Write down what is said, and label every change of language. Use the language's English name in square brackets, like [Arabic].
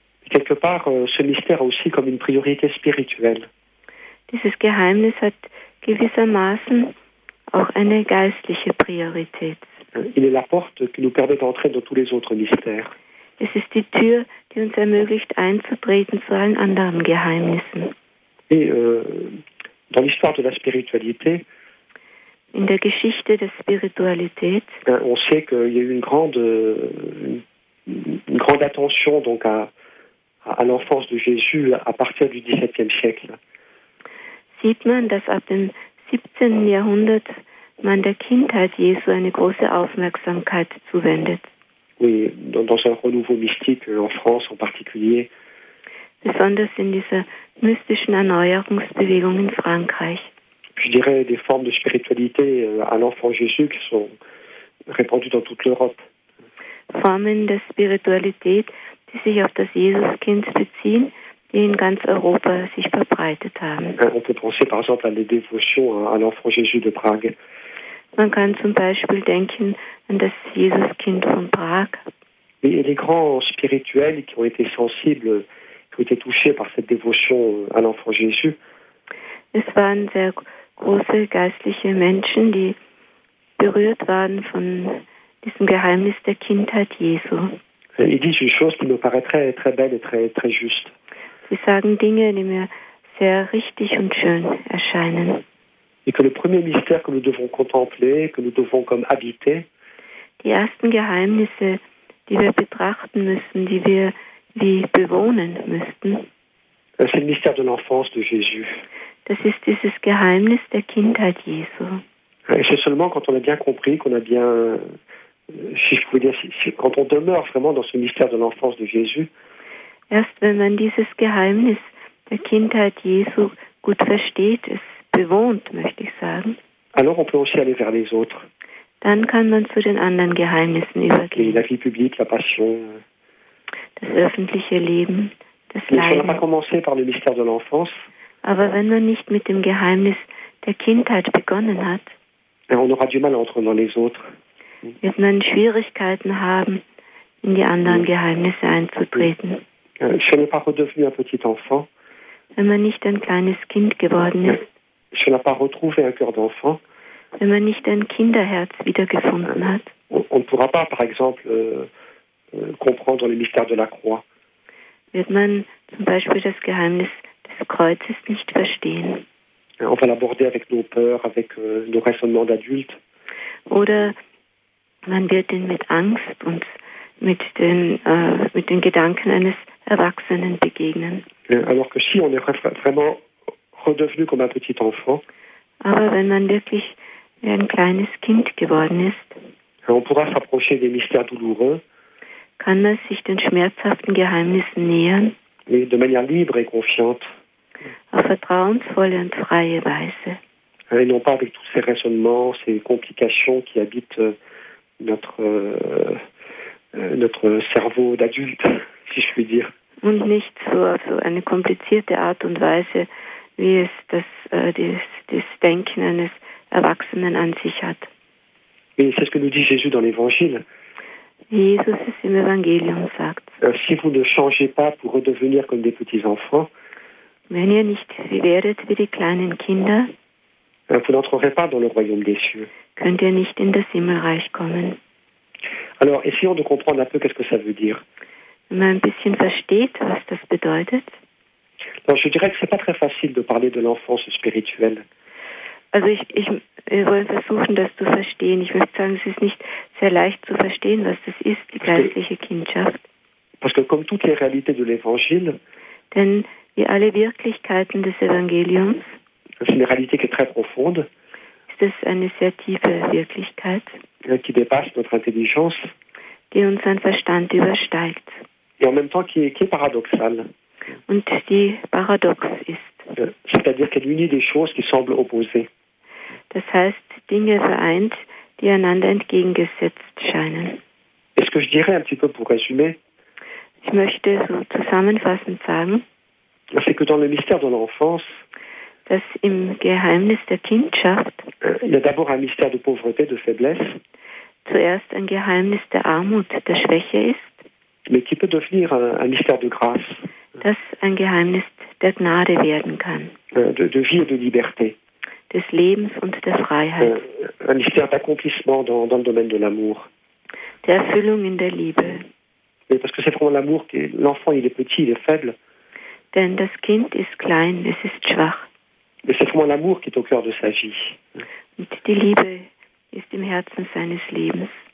[French] Quelque part, ce mystère a aussi comme une priorité spirituelle. [German] Dieses Geheimnis hat gewissermaßen auch eine geistliche Priorität. [French] Il est la porte qui nous permet d'entrer dans tous les autres mystères. [German] Es ist die Tür, die uns ermöglicht, einzutreten zu allen anderen Geheimnissen. [French] Et dans l'histoire de la spiritualité, [German] in der Geschichte der Spiritualität, [French] on sait qu'il y a eu une grande attention donc à l'enfance de Jésus à partir du XVIIe siècle. [German] Sieht man, dass ab dem 17. Jahrhundert man der Kindheit Jesu eine große Aufmerksamkeit zuwendet. [French] Oui, dans un renouveau mystique en France en particulier. [German] Besonders in dieser mystischen Erneuerungsbewegung in Frankreich. [French] Je dirais des formes de spiritualité à l'enfant Jésus qui sont répandues dans toute l'Europe. [German] Formen der Spiritualität, die sich auf das Jesuskind beziehen, die in ganz Europa sich verbreitet haben. [French] On peut penser par exemple à des dévotions à l'enfant Jésus de Prague. [German] Man kann zum Beispiel denken an das Jesuskind von Prag. [French] Et les grands spirituels qui ont été sensibles, qui ont été touchés par cette dévotion à l'enfant Jésus. [German] Es waren sehr große geistliche Menschen, die berührt waren von diesem Geheimnis der Kindheit Jesu. [French] Ils disent une chose qui me paraît très, très belle et très, très juste. [German] Sie sagen Dinge, die mir sehr richtig und schön erscheinen. [French] Et que le premier mystère que nous devons contempler, que nous devons comme habiter. [German] Die ersten Geheimnisse, die wir betrachten müssen, die wir wie bewohnen müssten. [French] C'est le mystère de l'enfance de Jésus. [German] Das ist dieses Geheimnis der Kindheit Jesu. [French] Et c'est seulement quand on a bien compris, qu'on a bien, si je pouvais dire, si, quand on demeure vraiment dans ce mystère de l'enfance de Jésus. [German] Erst wenn man dieses Geheimnis der Kindheit Jesu gut versteht, es bewohnt, möchte ich sagen. [French] Alors on peut aussi aller vers les autres. [German] Dann kann man zu den anderen Geheimnissen übergehen. [French] La vie publique, la passion. [German] Das öffentliche Leben, das Leiden. [French] Mais si on a pas commencé par le mystère de l'enfance. [German] Aber wenn man nicht mit dem Geheimnis der Kindheit begonnen hat, [French] on aura du mal à entrer dans les autres. [German] Wird man Schwierigkeiten haben, in die anderen Geheimnisse einzutreten. [French] Je n'ai pas redevenu un petit enfant. [German] Wenn man nicht ein kleines Kind geworden ist. [French] Je n'ai pas retrouvé un cœur d'enfant. [German] Wenn man nicht ein Kinderherz wiedergefunden hat. [French] On ne pourra pas, par exemple, comprendre le mystère de la croix. [German] Wird man zum Beispiel das Geheimnis des Kreuzes nicht verstehen. [French] On va l'aborder avec nos peurs, avec nos raisonnements d'adultes. [German] Oder man wird ihn mit Angst und mit den Gedanken eines Erwachsenen begegnen. [French] Alors que si on est vraiment redevenu comme un petit enfant. [German] Aber wenn man wirklich ein kleines Kind geworden ist. [French] On pourra s'approcher des mystères douloureux. [German] Kann man sich den schmerzhaften Geheimnissen nähern. [French] Mais de manière libre et confiante. [German] Auf vertrauensvolle und freie Weise. [French] Et non pas avec tous ces raisonnements, ces complications qui habitent notre cerveau d'adulte, si je puis dire. [German] Und nicht so auf so eine komplizierte Art und Weise, wie es das Denken eines Erwachsenen an sich hat. [French] Mais c'est ce que nous dit Jésus dans l'Évangile. [German] Jesus es im Evangelium sagt. [French] Si vous ne changez pas pour redevenir comme des petits enfants, [German] Wenn ihr nicht werdet wie die kleinen Kinder, [French] vous n'entrerez pas dans le royaume des cieux. [German] Könnt ihr nicht in das Himmelreich kommen. [French] Alors, essayons de comprendre un peu qu'est-ce que ça veut dire. [German] Wenn man ein bisschen versteht, was das bedeutet. [French] Alors, je dirais que c'est pas très facile de parler de l'enfance spirituelle. [German] Also wir wollen versuchen, das zu verstehen. Ich möchte sagen, es ist nicht sehr leicht zu verstehen, was das ist, die geistliche Kindschaft. [French] Parce que comme toutes les réalités de l'évangile, [German] denn wie alle Wirklichkeiten des Evangeliums, [French] c'est une réalité qui est très profonde, [German] ist es eine sehr tiefe Wirklichkeit, [French] qui dépasse notre intelligence, [German] die unseren Verstand übersteigt, [French] et en même temps qui est paradoxale. [German] Und die paradox ist, [French] c'est-à-dire qu'elle unit des choses qui semblent opposées. [German] Das heißt, Dinge vereint, die einander entgegengesetzt scheinen. [French] Est-ce que je dirais un petit peu pour résumer? [German] Ich möchte so zusammenfassend sagen, [French] c'est que dans le mystère de l'enfance, [German] dass im Geheimnis der Kindschaft, [French] il y a d'abord un mystère de pauvreté, de faiblesse, [German] zuerst ein Geheimnis der Armut, der Schwäche ist, [French] mais qui peut devenir un mystère de grâce, [German] dass ein Geheimnis der Gnade werden kann, [French] de vie et de liberté, [German] des Lebens und der Freiheit, [French] un mystère d'accomplissement dans le domaine de l'amour, [German] der Erfüllung in der Liebe. [French] Mais parce que c'est vraiment l'amour que l'enfant, il est petit, il est faible. [German] Denn das Kind ist klein, es ist schwach. [French] Mais c'est vraiment l'amour qui est au cœur de sa vie. [German] Und die Liebe ist im Herzen seines Lebens.